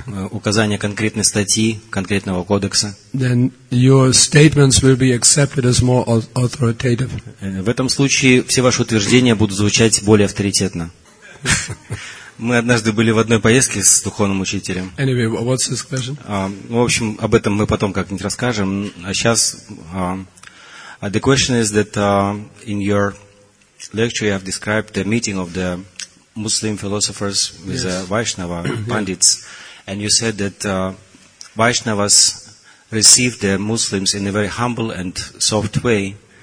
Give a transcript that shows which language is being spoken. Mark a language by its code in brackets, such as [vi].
[ru] Указание конкретной статьи, конкретного кодекса. [en] Then your statements will be accepted as more authoritative. [ru] В этом случае все ваши утверждения будут звучать более авторитетно. Мы однажды были в одной поездке с духовным учителем. [en] Anyway, what's this question? [ru] В общем, об этом мы потом как-нибудь расскажем. А сейчас... [en] the question is that in your lecture you have described the meeting of the Muslim philosophers with the Vaishnava pandits. And you said that Vaishnavas received the Muslims in a very humble and soft way.